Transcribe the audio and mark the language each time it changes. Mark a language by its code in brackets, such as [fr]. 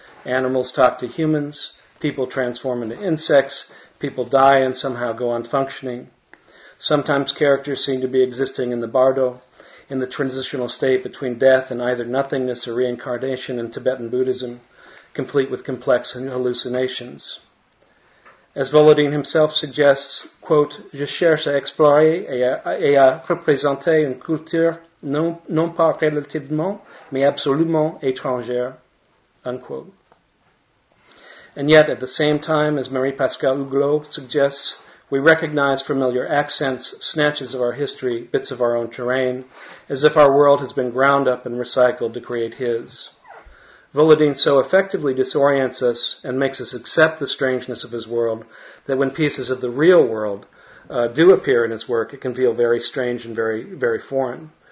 [en] Animals talk to humans, people transform into insects, people die and somehow go on functioning. Sometimes characters seem to be existing in the bardo, in the transitional state between death and either nothingness or reincarnation in Tibetan Buddhism, complete with complex hallucinations. As Volodine himself suggests, quote, [fr] je cherche à explorer et à représenter une culture non pas relativement, mais absolument étrangère, [en] unquote. And yet, at the same time, as Marie-Pascale Huglot suggests, we recognize familiar accents, snatches of our history, bits of our own terrain, as if our world has been ground up and recycled to create his. Volodine so effectively disorients us and makes us accept the strangeness of his world that when pieces of the real world do appear in his work, it can feel very strange and very, very foreign.